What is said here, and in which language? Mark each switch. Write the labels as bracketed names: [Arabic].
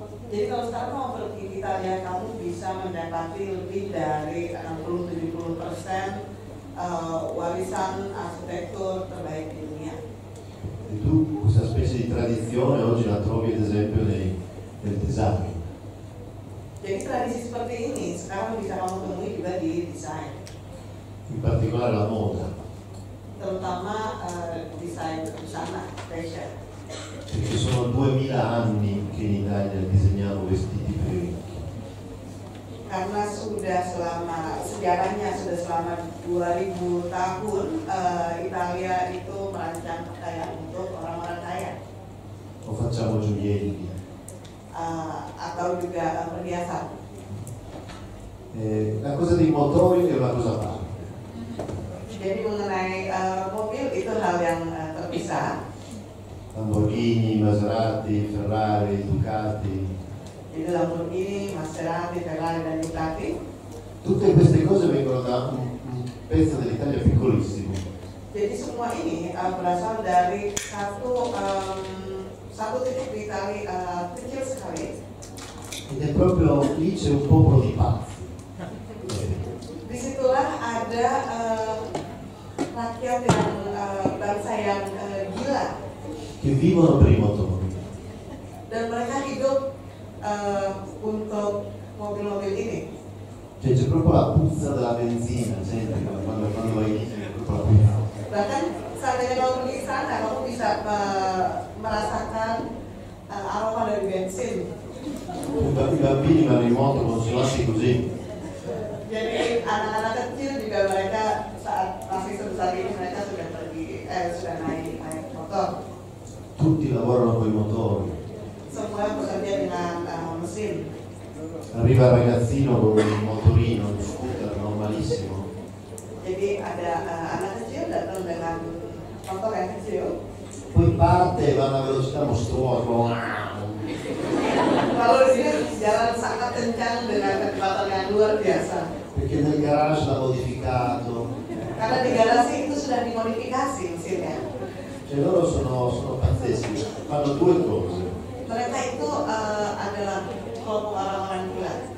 [Indonesian] Jadi kalau sekarang mau pergi ke Italia, kamu bisa mendapati lebih dari 60-70% warisan arsitektur terbaik di dunia. [Italian] E tu questa specie di tradizione oggi la trovi ad esempio nel design. [Indonesian] Jadi tradisi seperti ini sekarang bisa kamu temui juga di desain. [Italian] In particolare la moda. [Indonesian] Terutama desain busana, fashion. [Italian] Perché sono 2000 anni che in Italia disegniamo vestiti per i ricchi. [Indonesian] Karena sudah selama sejarahnya sudah selama 2000 tahun Italia itu merancang pakaian untuk orang-orang kaya. [Italian] O facciamo gioielli. [Indonesian] Atau juga perhiasan. [Italian] La cosa dei motori è una cosa a parte. [Indonesian] Jadi mengenai mobil itu hal yang terpisah. [Italian] Lamborghini, Maserati, Ferrari, Ducati. [Indonesian] Quindi Lamborghini, Maserati, Ferrari e Ducati. [Italian] Tutte queste cose vengono da un pezzo dell'Italia piccolissimo. [Indonesian] Jadi semua ini berasal dari satu titik di Italia kecil sekali. [Italian] Ed è proprio lì c'è un popolo di pazzi. [Indonesian] Di situlah ada rakyat yang bangsa yang gila. [Italian] Che vivono per i motori. [Indonesian] Dan mereka hidup untuk mobil-mobil ini. [Italian] Cioè c'è proprio la puzza della benzina, gente, quando vai lì. [Indonesian] Bahkan saat ini kamu di sana, kamu bisa merasakan aroma dari bensin. [Italian] I bambini vanno in moto, non si lasci così. [Indonesian] Jadi anak-anak kecil juga mereka saat masih sebesar ini mereka sudah pergi, sudah naik motor. [Italian] Tutti lavorano con i motori. [Indonesian] Semua bekerja dengan mesin. [Italian] Arriva il ragazzino con un motorino, un scooter, normalissimo. [Indonesian] Jadi ada anak kecil datang dengan motor yang kecil. [Italian] Poi parte e va a una velocità mostruosa. [Indonesian] Kalau di sini jalan sangat kencang dengan kecepatan yang luar biasa. [Italian] Perché nel garage l'ha modificato. [Indonesian] Karena di garasi itu sudah dimodifikasi mesinnya. [Italian] Cioè loro sono pazzeschi, fanno due cose. [Indonesian] Mereka itu adalah kelompok orang-orang gila.